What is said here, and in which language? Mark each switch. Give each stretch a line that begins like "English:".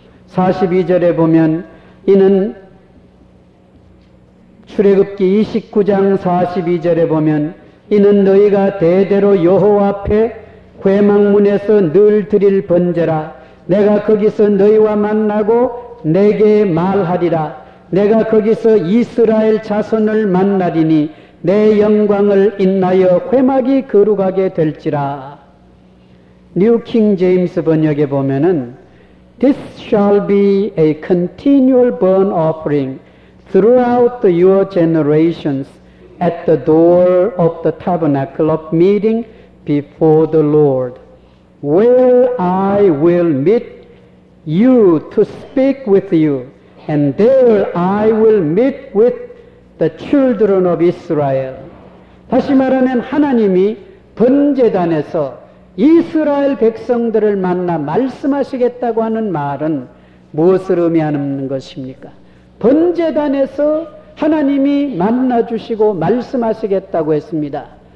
Korean: 42절에 보면 이는 출애굽기 29장 42절에 보면 이는 너희가 대대로 여호와 앞에 회막문에서 늘 드릴 번제라. 내가 거기서 너희와 만나고 내게 말하리라. 내가 거기서 이스라엘 자손을 만나리니 내 영광을 인하여 회막이 거룩하게 될지라.
English: 뉴 킹 제임스 번역에 보면은 This shall be a continual burnt offering throughout your generations at the door of the tabernacle of meeting before the Lord, where I will meet you to speak with you, and there I will meet with the children of Israel.
Korean: 다시 말하면 하나님이 번제단에서 이스라엘 백성들을 만나 말씀하시겠다고 하는 말은 무엇을 의미하는 것입니까? 번제단에서 하나님이 만나 주시고 말씀하시겠다고 했습니다.